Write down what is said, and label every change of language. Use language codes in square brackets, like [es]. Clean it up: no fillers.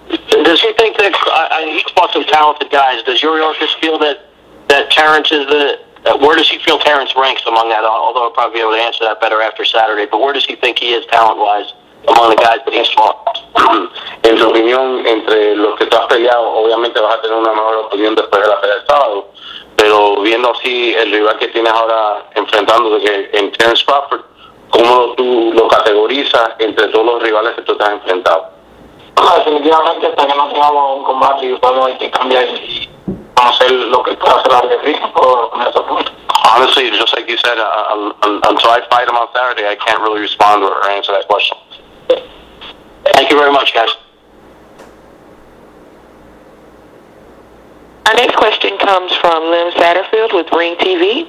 [en] Does he think that he's fought some talented guys? Does Yuriorkis feel that Terence is where does he feel Terence ranks among that? Although I'll probably be able to answer that better after Saturday. But where does he think he is talent wise among the guys that he's fought? [es] En su opinión, entre los que tú has peleado, obviamente vas a tener una mejor opinión después de la pelea del sábado. Pero viendo así el rival que tienes ahora enfrentándote en Terence Crawford. ¿Cómo tú lo categorizas entre todos los rivales que tú te has enfrentado? Definitivamente, hasta que no tengamos un combate y podemos intercambiar y conocer lo que puede hacer la defensa con ese punto. [en] Honestly, just like you said, until I fight him on Saturday, I can't really respond or answer that question. Thank you very much, guys. Our next question comes from Lynn Satterfield with Ring TV.